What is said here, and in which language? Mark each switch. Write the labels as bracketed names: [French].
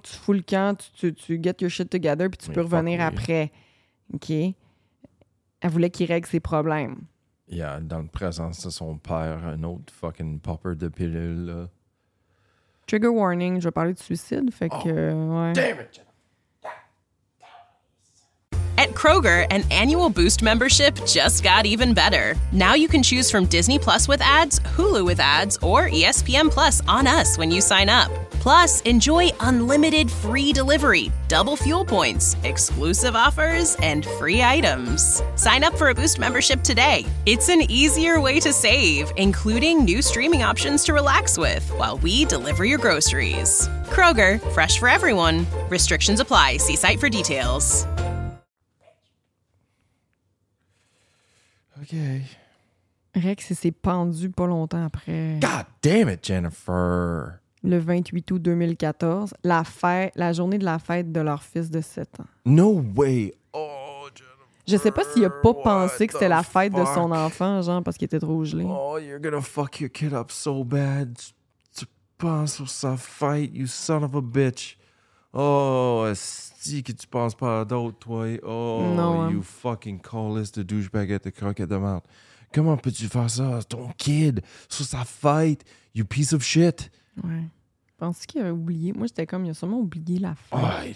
[French] Tu fous le camp, tu [English] get your shit together, [French] puis tu peux revenir après. OK? Elle voulait qu'il règle ses problèmes. Yeah, dans la présence de son père, un autre fucking popper de pilule. Trigger warning, je vais parler de suicide, fait que... Ouais. [English] Damn it! At Kroger, an annual Boost membership just got even better. Now you can choose from Disney Plus with ads, Hulu with ads, or ESPN Plus on us when you sign up. Plus, enjoy unlimited free delivery, double fuel points, exclusive offers, and free items. Sign up for a Boost membership today. It's an easier way to save, including new streaming options to relax with while we deliver your groceries. Kroger, fresh for everyone. Restrictions apply. See site for details. OK. [French] Rex, il s'est pendu pas longtemps après. [English] God damn it, Jennifer! [French] Le 28 août 2014, la journée de la fête de leur fils de 7 ans. [English] No way! Oh, Jennifer! [French] Je sais pas s'il a pas pensé que c'était la fête de son enfant, genre, parce qu'il était trop gelé. [English] Oh, you're gonna fuck your kid up so bad. [French] Tu penses sur sa fête, [English] you son of a bitch. [French] Oh, si que tu penses pas à d'autres, toi. Oh, non, [English] you fucking callist de douchebag at the [French] croquette de merde. Comment peux-tu faire ça? Ton kid, sur sa fête, [English] you piece of shit. [French] Ouais. Penses-tu qu'il avait oublié? Moi, j'étais comme, il a sûrement oublié la fête.